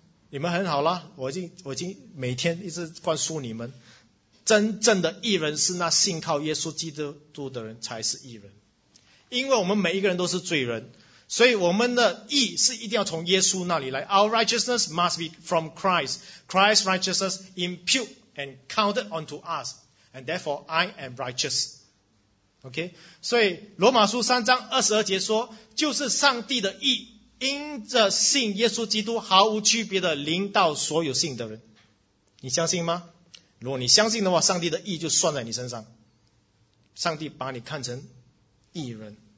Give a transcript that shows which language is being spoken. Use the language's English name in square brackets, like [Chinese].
[Chinese] 你们很好啦，我已经每天一直灌输你们，真正的义人是那信靠耶稣基督的人才是义人。因为我们每一个人都是罪人，所以我们的义是一定要从耶稣那里来。 [English] Our righteousness must be from Christ. Christ's righteousness imputed and counted unto us. And therefore I am righteous. OK? [Chinese] 所以罗马书三章二十二节说，就是上帝的义因着信耶稣基督毫无区别的临到所有信的人。你相信吗？如果你相信的话，上帝的义就算在你身上，上帝把你看成义人。